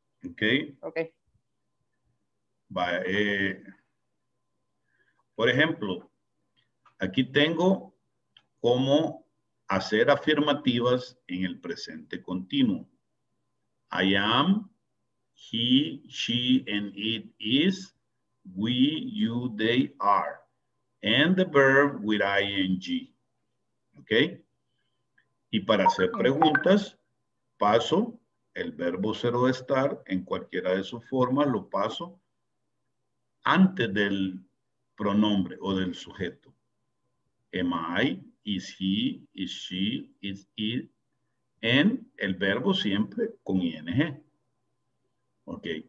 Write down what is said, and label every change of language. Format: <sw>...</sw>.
<en>Okay. Okay.</en> <es>Vaya, por ejemplo, aquí tengo cómo hacer afirmativas en el presente continuo.</es> <en>I am, he, she, and it is, we, you, they are, and the verb with ing. Okay.</en> <es>Y para hacer preguntas, paso el verbo ser o estar en cualquiera de sus formas, lo paso antes del pronombre o del sujeto.</es> <en>Am I, is he, is she, is it,</en> <es>en el verbo siempre con ing.</es> <en>Ok.</en>